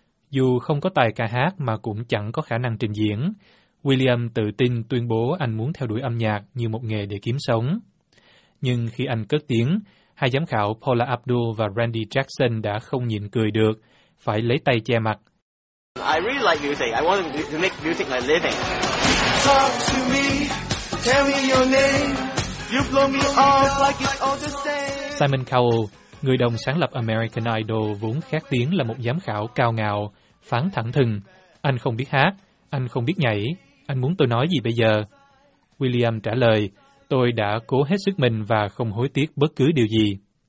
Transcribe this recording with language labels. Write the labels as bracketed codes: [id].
[vi] Dù không có tài ca hát mà cũng chẳng có khả năng trình diễn, William tự tin tuyên bố anh muốn theo đuổi âm nhạc như một nghề để kiếm sống. Nhưng khi anh cất tiếng, hai giám khảo Paula Abdul và Randy Jackson đã không nhịn cười được, phải lấy tay che mặt. [en] I really like music. I want to make music my living. Talk to me. Tell me your name. You blow me off like it's all the same. [vi] Simon Cowell, người đồng sáng lập American Idol, vốn khét tiếng là một giám khảo cao ngạo, phán thẳng thừng. Anh không biết hát, anh không biết nhảy, anh muốn tôi nói gì bây giờ? William trả lời, tôi đã cố hết sức mình và không hối tiếc bất cứ điều gì.